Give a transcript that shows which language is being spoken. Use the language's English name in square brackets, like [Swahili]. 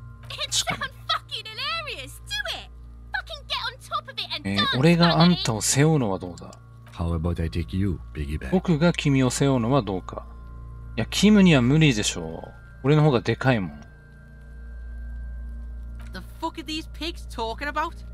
[English] It's a fucking hilarious! Do it! Fucking get on top of it and done! [Japanese] 俺があんたを背負うのはどうだ。 [English] How about I take you, piggyback? [Japanese] 僕が君を背負うのはどうか。いや、キムには無理でしょ。俺の方がでかいもん。 [English] The fuck are these pigs talking about?